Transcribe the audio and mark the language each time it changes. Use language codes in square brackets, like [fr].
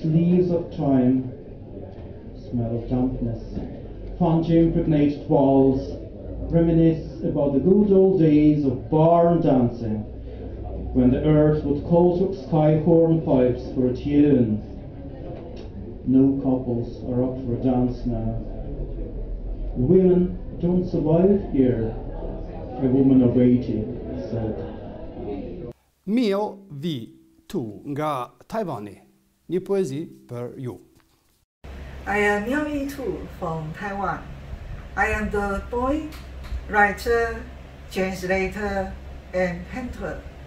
[en] Sleeves of time, smell of dampness, punchy impregnated walls reminisce about the good old days of barn dancing, when the earth would call to sky hornpipes for a tune. No couples are up for a dance now. Women don't survive here, a woman of 80 said. [sq] Mio vi tu nga Taiwani, një poezi për ju. [en] I am Mio vi tu from Taiwan. I am the boy, writer, translator, and painter.